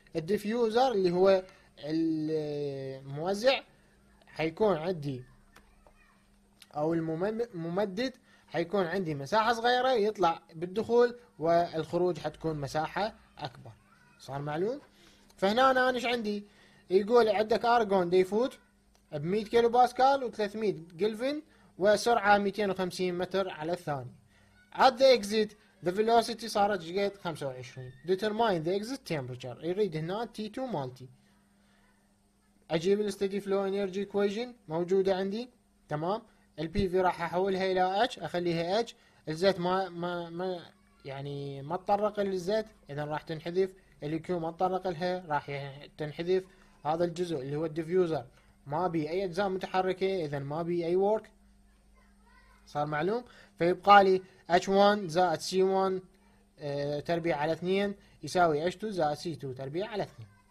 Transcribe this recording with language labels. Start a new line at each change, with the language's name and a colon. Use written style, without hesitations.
Arabic: الديفيوزر اللي هو الموزع حيكون عندي، او الممدد حيكون عندي مساحه صغيره يطلع بالدخول والخروج حتكون مساحه اكبر، صار معلوم؟ فهنا انا ايش عندي؟ يقول عندك ارجون ديفوت ب 100 كيلو باسكال و 300 جلفن وسرعه 250 متر على الثانيه.
English: At the exit the velocity
Arabic: صارت جيت
English: 25. Determine the exit temperature.
Arabic: يريد هنا تي 2 مالتي. اجيب الستدي فلو انرجي ايكويجن موجوده عندي، تمام؟ البي في راح احولها الى اتش، اخليها اتش. الزيت ما يعني ما اتطرق للزيت، اذا راح تنحذف. الكيو ما اتطرق لها، راح تنحذف. هذا الجزء اللي هو الديفيوزر ما بي اي اجزاء متحركه، اذا ما بي اي ورك، صار معلوم؟ فيبقى لي اتش 1 زائد سي 1 تربيع على 2 يساوي اتش 2 زائد سي 2 تربيع على 2.